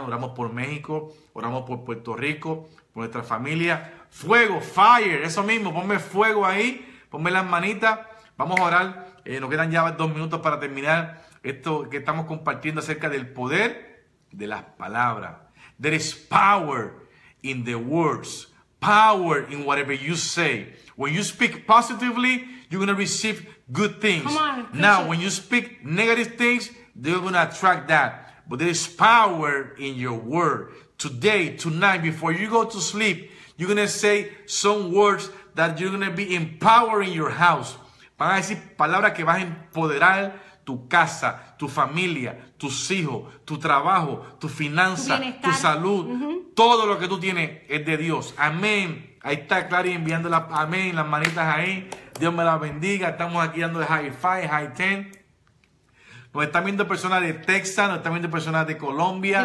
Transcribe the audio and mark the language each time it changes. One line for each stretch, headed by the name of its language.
Spanish: Oramos por México, oramos por Puerto Rico, por nuestra familia. Fuego, fire, eso mismo, ponme fuego ahí, ponme las manitas. Vamos a orar, nos quedan ya 2 minutos para terminar esto que estamos compartiendo acerca del poder de las palabras.
English: There is power in the words, power in whatever you say. When you speak positively, you're going to receive good things. Come on, now, when you speak negative things, they're going to attract that. But there is power in your word. Today, tonight, before you go to sleep, you're going to say some words that you're going to be empowering your house.
Spanish: Van a decir palabras que van a empoderar tu casa, tu familia, tus hijos, tu trabajo, tu finanza, tu salud, todo lo que tú tienes es de Dios. Amén. Ahí está Clary enviando la, amén, las manitas ahí. Dios me la bendiga. Estamos aquí dando
English: high five, high ten.
Spanish: Nos están viendo personas de Texas, nos están viendo personas de Colombia,